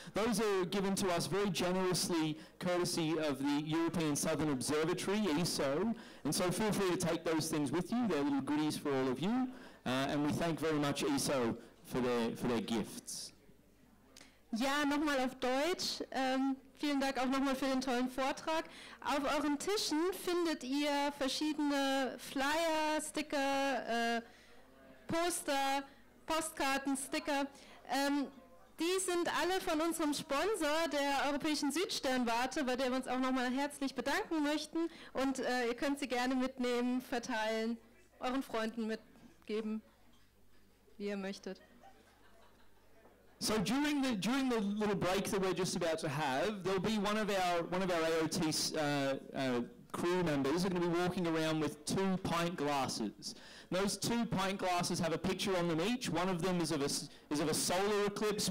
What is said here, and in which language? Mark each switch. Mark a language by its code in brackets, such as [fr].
[en] Those are given to us very generously courtesy of the European Southern Observatory, ESO. And so feel free to take those things with you. They're little goodies for all of you. And we thank very much ESO for their gifts. [de] Ja, nochmal auf Deutsch. Vielen Dank auch nochmal für den tollen Vortrag. Auf euren Tischen findet ihr verschiedene Flyer, Sticker, Poster, Postkarten, Sticker. Die sind alle von unserem Sponsor, der Europäischen Südsternwarte, bei der wir uns auch nochmal herzlich bedanken möchten. Und ihr könnt sie gerne mitnehmen, verteilen, euren Freunden mitgeben, wie ihr möchtet. [en] So during the little break that we're just about to have, there'll be one of our AOT crew members are going to be walking around with two pint glasses. And those two pint glasses have a picture on them each. One of them is of a solar eclipse.